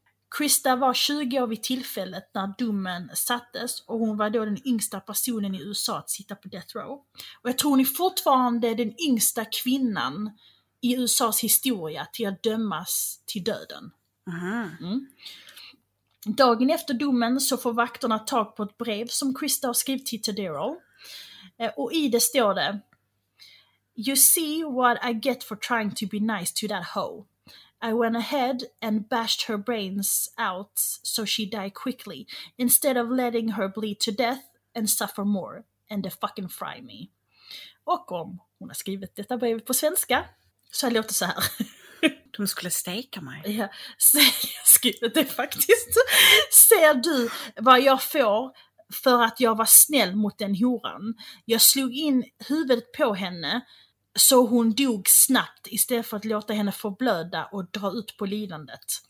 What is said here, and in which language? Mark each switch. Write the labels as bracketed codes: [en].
[sv] Krista var 20 år vid tillfället när domen sattes och hon var då den yngsta personen i USA att sitta på death row. Och jag tror hon är fortfarande den yngsta kvinnan i USAs historia till att dömas till döden. Mm. Dagen efter domen så får vakterna tag på ett brev som Krista har skrivit till Tadero. Och i det står det: [en] "You see what I get for trying to be nice to that hoe. I went ahead and bashed her brains out so she died quickly instead of letting her bleed to death and suffer more and the fucking fry me." [sv] Och om hon har skrivit detta brev på svenska så här låter så här. De skulle steka mig. Ja, så skrivit det faktiskt. Ser du vad jag får för att jag var snäll mot den horan? Jag slog in huvudet på henne så hon dog snabbt istället för att låta henne förblöda och dra ut på lidandet.